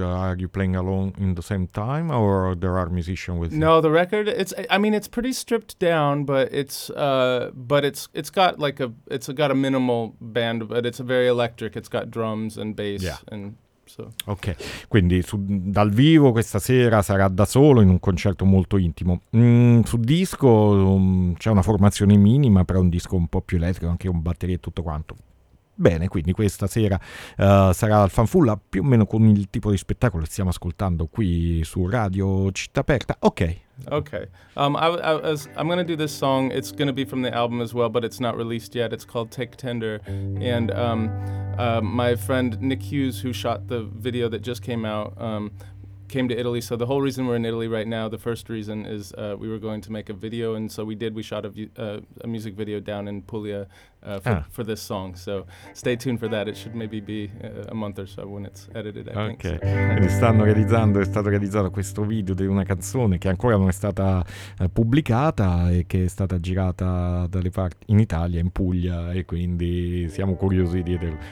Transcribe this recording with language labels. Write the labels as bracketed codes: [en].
[en] Are you playing alone in the same time, or there are musicians with you? No, the record, it's pretty stripped down, but it's got a minimal band, but it's a very electric. It's got drums and bass, yeah. And so. [it] Ok, quindi dal vivo questa sera sarà da solo in un concerto molto intimo. Su disco c'è una formazione minima, però un disco un po' più elettrico, anche un batteria e tutto quanto. Bene, quindi questa sera sarà al Fanfulla, più o meno con il tipo di spettacolo che stiamo ascoltando qui su Radio Città Aperta. [en] Okay. I'm gonna do this song. It's gonna be from the album as well, but it's not released yet. It's called Take Tender, and my friend Nick Hughes, who shot the video that just came out, came to Italy. So the whole reason we're in Italy right now, the first reason is we were going to make a video, and so we did. We shot a music video down in Puglia for this song. So stay tuned for that. It should maybe be a month or so when it's edited, I think. Okay. [it] Quindi stanno realizzando, è stato realizzato questo video di una canzone che ancora non è stata pubblicata e che è stata girata dalle parti in Italia, in Puglia, e quindi siamo curiosi di vedere.